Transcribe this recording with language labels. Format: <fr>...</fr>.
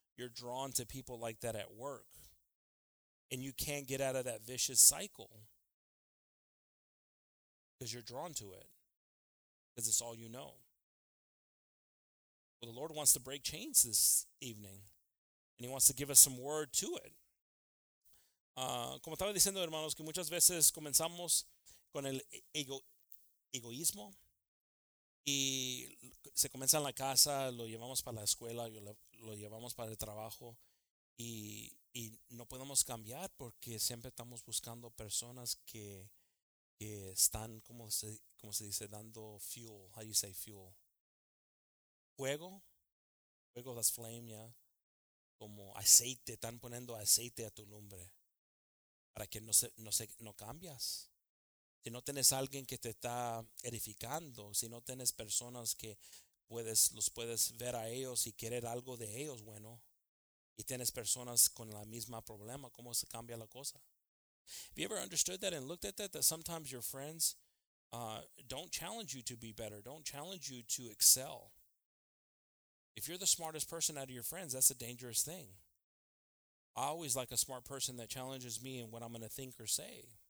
<en>You're drawn to people like that at work. And you can't get out of that vicious cycle because you're drawn to it, because it's all you know. Well, the Lord wants to break chains this evening, and he wants to give us some word to it.</en> <es>Como estaba diciendo, hermanos, que muchas veces comenzamos con el egoísmo, y se comienza en la casa, lo llevamos para la escuela, lo llevamos para el trabajo, y no podemos cambiar porque siempre estamos buscando personas que están, como se dice, dando fuel.</es> <en>How do you say fuel?</en> <es>Fuego. Fuego,</es> <en>that's flame, yeah.</en> <es>Como aceite, están poniendo aceite a tu lumbre para que no cambias. Si no tienes alguien que te está edificando, si no tienes personas que los puedes ver a ellos y querer algo de ellos, bueno, y tienes personas con la misma problema, ¿cómo se cambia la cosa?</es> <en>Have you ever understood that and looked at that, that sometimes your friends don't challenge you to be better, don't challenge you to excel? If you're the smartest person out of your friends, that's a dangerous thing. I always like a smart person that challenges me in what I'm going to think or say.</en>